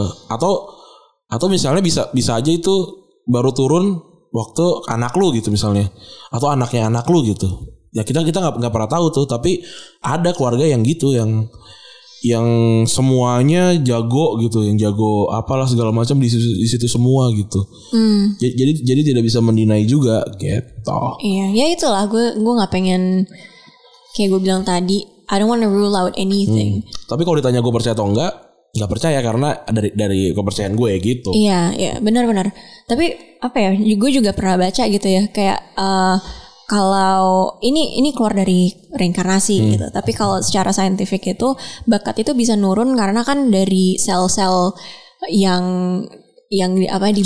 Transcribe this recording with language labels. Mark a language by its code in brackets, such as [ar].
[id] Atau misalnya bisa aja itu baru turun waktu anak lu gitu misalnya, atau anaknya anak lu gitu. Ya kita nggak pernah tahu tuh, tapi ada keluarga yang gitu, yang semuanya jago gitu, yang jago apalah segala macam di situ semua gitu. Jadi tidak bisa mendinai juga gitu. Iya, ya itulah, gue nggak pengen, kayak gue bilang tadi, [en] I don't want to rule out anything. [id] Tapi kalau ditanya gue percaya atau enggak percaya, karena dari kepercayaan gue ya gitu. Iya benar-benar. Tapi apa ya, gue juga pernah baca gitu ya, kayak kalau ini keluar dari reinkarnasi gitu. Tapi kalau secara saintifik itu, bakat itu bisa nurun karena kan dari sel-sel yang apa dibagi.